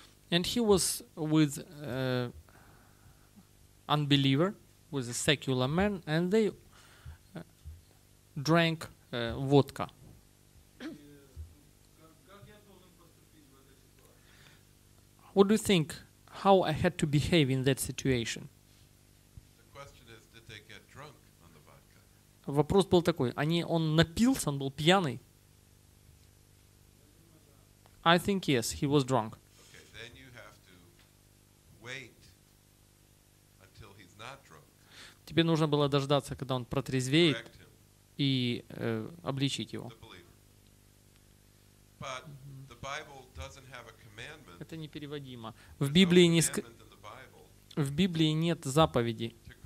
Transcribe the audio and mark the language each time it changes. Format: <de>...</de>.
<en>And he was with unbeliever, with a secular man, and they drank vodka. What do you think? How I had to behave in that situation? The question is, did they get drunk on the vodka?</en> <ru>Вопрос был такой: он напился, он был пьяный?</ru> <en>I think yes, he was drunk. Okay, then you have to wait until he's not drunk.</en> <ru>Тебе нужно было дождаться, когда он протрезвеет, и обличить его.</ru> <en>But the Bible doesn't have a commandment.</en> <ru>Это непереводимо. В Библии не в Библии нет заповеди.</ru>